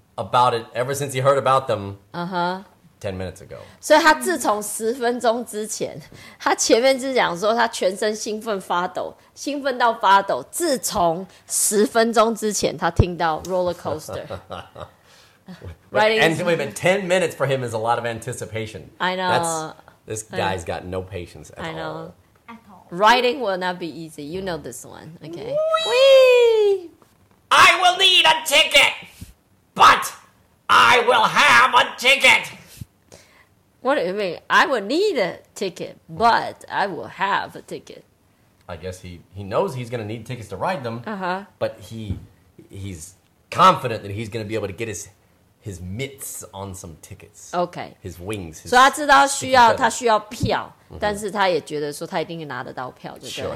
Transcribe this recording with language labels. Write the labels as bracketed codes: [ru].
[en] About it ever since he heard about them. Uh-huh. 10 minutes ago. [zh] 所以他自从十分钟之前，他前面是讲说他全身兴奋发抖，兴奋到发抖。自从十分钟之前，他听到 roller coaster. [en] wait, 10 minutes for him is a lot of anticipation. I know. This guy's got no patience at all. I know. At all. Riding will not be easy. You know this one. Okay. Whee! I will need a ticket! But I will have a ticket. What do you mean? I will need a ticket, but I will have a ticket. I guess he knows he's going to need tickets to ride them. Uh-huh. But he's confident that he's going to be able to get his mitts on some tickets. Okay. His wings. [zh] So 他知道他需要票、mm-hmm. 但是他也觉得说他一定拿得到票就对了。